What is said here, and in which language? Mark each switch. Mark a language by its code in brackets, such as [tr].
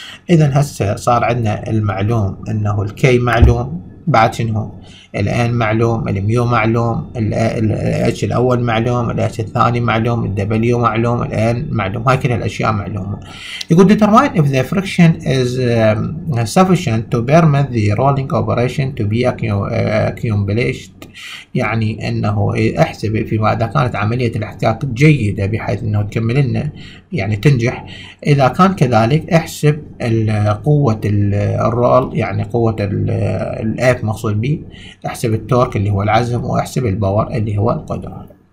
[ar] اذا هسه صار عندنا المعلوم انه الكي معلوم بعد شنو الان معلوم الميو معلوم الاتش الاول معلوم الاتش الثاني معلوم الدبليو معلوم الان معلوم هاي كل الاشياء معلومه. [en] يقول determine if the friction is sufficient to permit the rolling operation to be accomplished. [ar] يعني انه احسب فيما اذا كانت عمليه الاحتكاك جيده بحيث انه تكمل لنا يعني تنجح. اذا كان كذلك احسب قوه الرول يعني قوه الاف مقصود به احسب التورك اللي هو العزم واحسب الباور اللي هو القدره.